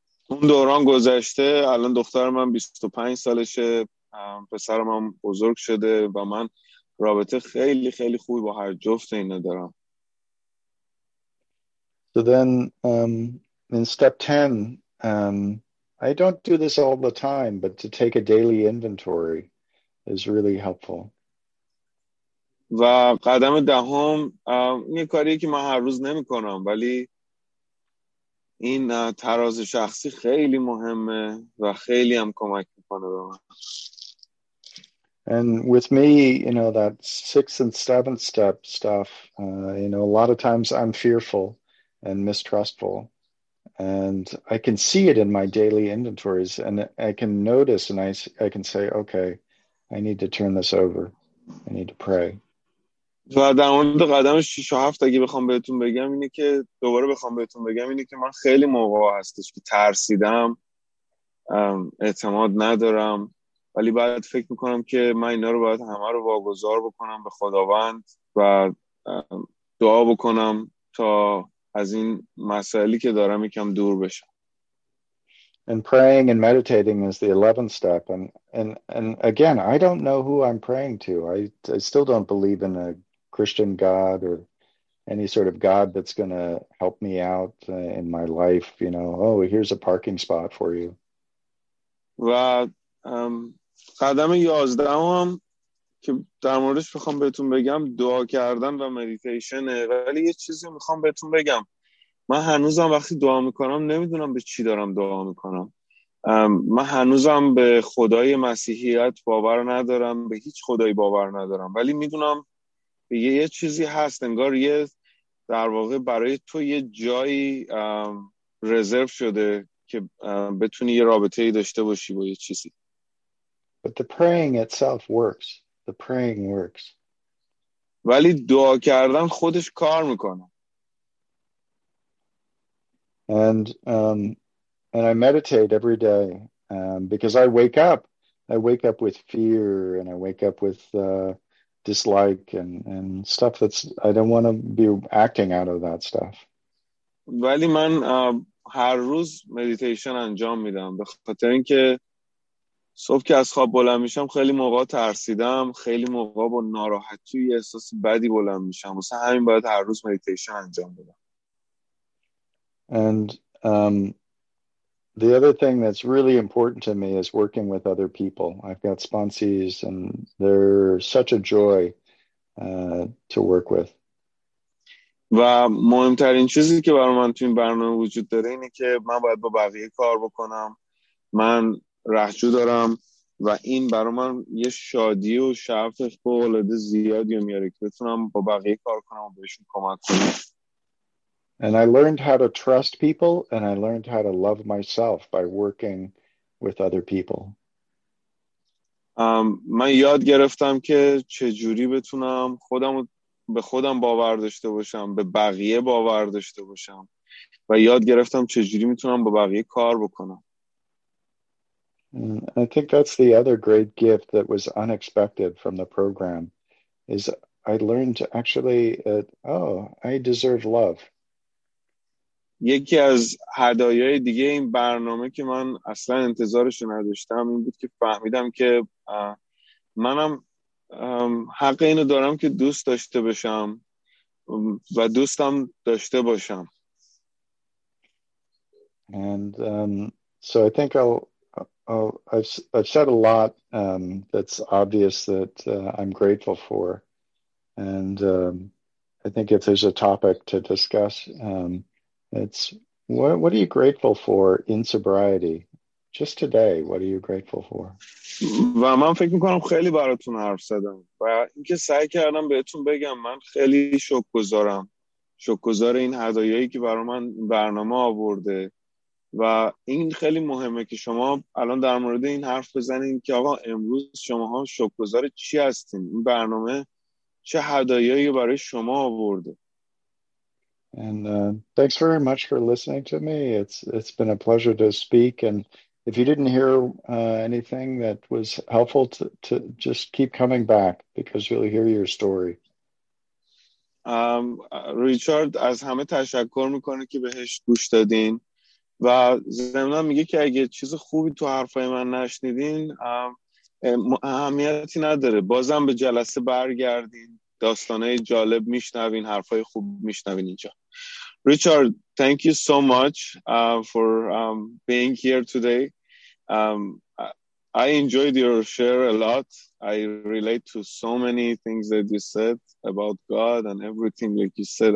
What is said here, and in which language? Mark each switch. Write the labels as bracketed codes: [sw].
[fa] اون دوران گذشته الان دختر من 25 سالشه پسرم هم بزرگ شده و من رابطه خیلی خیلی خوبی با هر جفت اینا دارم. [en] So then in step 10 I don't do this all the time but to take a daily inventory is really helpful. [fa] و قدم دهم یه کاریه که من هر روز نمی کنم ولی این تراز شخصی خیلی مهمه و خیلی هم کمک میکنه به من. [en] And with me, you know, that sixth and seventh step stuff, you know, a lot of times I'm fearful and mistrustful. And I can see it in my daily inventories and I can notice and I can say, okay, I need to turn this over. I need to pray. [fa] و در مورد قدم 6 و 7 اگه بخوام بهتون بگم اینه که دوباره بخوام بهتون بگم اینه که من خیلی موقع هستش که ترسیدم اعتماد ندارم ولی بعد فکر میکنم که من اینا رو باید همه رو واگذار بکنم به خداوند و دعا بکنم تا از این مسائلی که دارم یکم دور بشم. [en] And praying and meditating is the 11th step. And again, I don't know who I'm praying to. I still don't believe in a Christian God or any sort of God that's going to help me out in my life, you know, oh, here's a parking spot for you. [fa] و قدم 11 هم که در موردش بخوام بهتون بگم دعا کردن و مدیتیشن ولی یه چیزی میخوام بهتون بگم من هنوزم وقتی دعا میکنم نمیدونم به چی دارم دعا میکنم من هنوزم به خدای مسیحیت باور ندارم به هیچ خدایی باور ندارم ولی میدونم یه چیزی هست انگار یه در واقع برای تو یه جایی رزرو شده که بتونی یه رابطه‌ای داشته باشی با یه چیزی. [en] But the praying itself works. The praying works. [fa] ولی دعا کردن خودش کار میکنه. [en] And I meditate every day because I wake up. I wake up with fear and I wake up with dislike and stuff that's, I don't want to be acting out of that stuff. [fa] ولی من هر روز مدیتیشن انجام میدم به خاطر اینکه صبح که از خواب بلند میشم خیلی موقع ترسیدم، خیلی موقع با ناراحتی و احساس بدی بلند میشم، واسه همین باید هر روز مدیتیشن انجام بدم. [en] And the other thing that's really important to me is working with other people. I've got sponsees and they're such a joy to work with. [fa] و مهمترین چیزی که برای من تو این برنامه وجود داره اینه که من باید با بقیه کار بکنم. من رهجو دارم و این برای من یه شادی و شرف فوق‌العاده زیادی میاره که بتونم با بقیه کار کنم و بهشون کمک کنم. [en] And I learned how to trust people and I learned how to love myself by working with other people. [fa] من یاد گرفتم که چجوری بتونم خودم به خودم باور داشته باشم، به بقیه باور داشته باشم و یاد گرفتم چجوری میتونم با بقیه کار بکنم. [en] I think that's the other great gift that was unexpected from the program is I learned to actually oh, I deserve love. [fa] یکی از هدایای دیگه این برنامه که من اصلا انتظارش نداشتم این بود که فهمیدم که منم حق اینو دارم که دوست داشته باشم و دوستم داشته باشم. [en] And so I think I've said a lot that's obvious that I'm grateful for. And I think if there's a topic to discuss it's what are you grateful for in sobriety? Just today, what are you grateful for? [fa] و من فکر میکنم خیلی براتون حرف زدم و اینکه سعی کردم بهتون بگم من خیلی شکرگزارم، شکرگزار این هدایایی که برای من برنامه آورده و این خیلی مهمه که شما الان در مورد این حرف بزنین که آقا امروز شما ها شکرگزار چی هستین، این برنامه چه هدایایی برای شما آورده. [en] And thanks very much for listening to me. It's been a pleasure to speak. And if you didn't hear anything that was helpful, to just keep coming back because you'll hear your story. [fa] Richard, از همه تشکر میکنه که بهش گوش دادین و زمینا میگه که اگه چیز خوبی تو حرفای من نشنیدین اهمیتی نداره. بازم به جلسه برگردین. داستانه جالب میشنوین، حرفای خوب میشنوین اینجا. [en] Richard, thank you so much for being here today. I enjoyed your share a lot. I relate to so many things that you said about God and everything like you said.